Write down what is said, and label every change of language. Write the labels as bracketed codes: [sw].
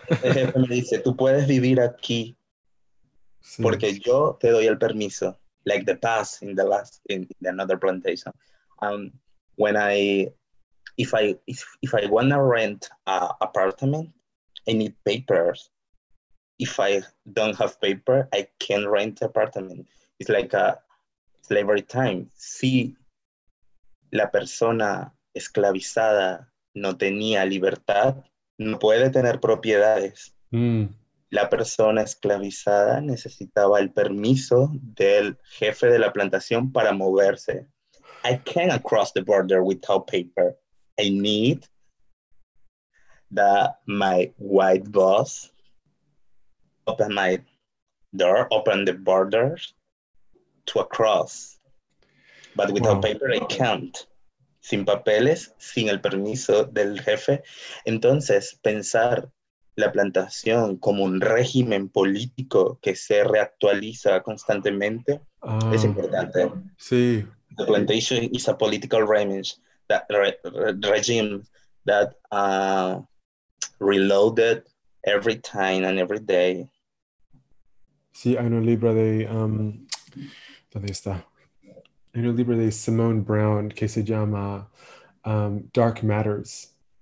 [es] El jefe me dice, tú puedes vivir aquí porque yo te doy el permiso. [en] Like the pass in the last, in another plantation. When I... If I want to rent an apartment, I need papers. If I don't have paper, I can't rent an apartment. It's like a slavery time. [es] Si la persona esclavizada no tenía libertad, no puede tener propiedades. Mm. La persona esclavizada necesitaba el permiso del jefe de la plantación para moverse. [en] I can't cross the border without paper. I need that my white boss open my door, open the borders to a cross. But without paper, I can't. [es] Sin papeles, sin el permiso del jefe. Entonces, pensar la plantación como un régimen político que se reactualiza constantemente es importante. Sí. [en] The plantation is a political regime. That regime that reloaded every time and every day. [es] Sí, hay un libro de ¿dónde está? Hay un libro de Simone Brown que se llama Dark Matters.